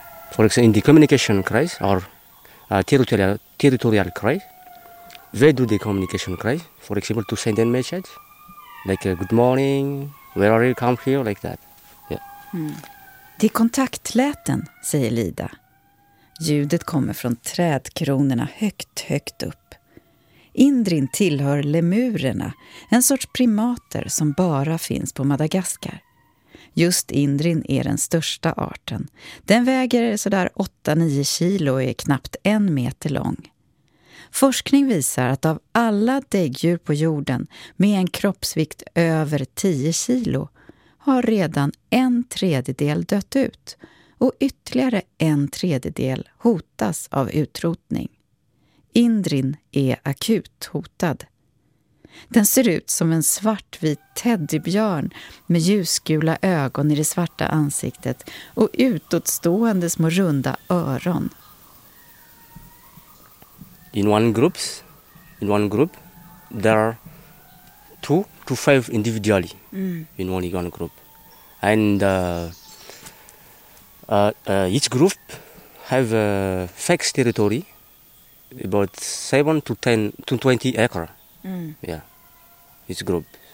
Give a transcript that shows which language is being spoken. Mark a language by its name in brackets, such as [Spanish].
[English] For example, in the communication cries or territorial cries. They do the communication cry, for example, to send a message, like good morning, where are you come here, like that. [Swedish] Det är kontaktläten, säger Lida. Ljudet kommer från trädkronorna högt upp. Indrin tillhör lemurerna, en sorts primater som bara finns på Madagaskar. Just Indrin är den största arten. Den väger sådär 8-9 kilo och är knappt en meter lång. Forskning visar att av alla däggdjur på jorden med en kroppsvikt över 10 kilo har redan en tredjedel dött ut och ytterligare en tredjedel hotas av utrotning. Indrin är akut hotad. Den ser ut som en svartvit teddybjörn med ljusgula ögon i det svarta ansiktet och utåtstående små runda öron. [English] In one group, there are 2 to 5 individually in one group, and each group have a fixed territory, about 7 to 10 to 20 acres. Each group.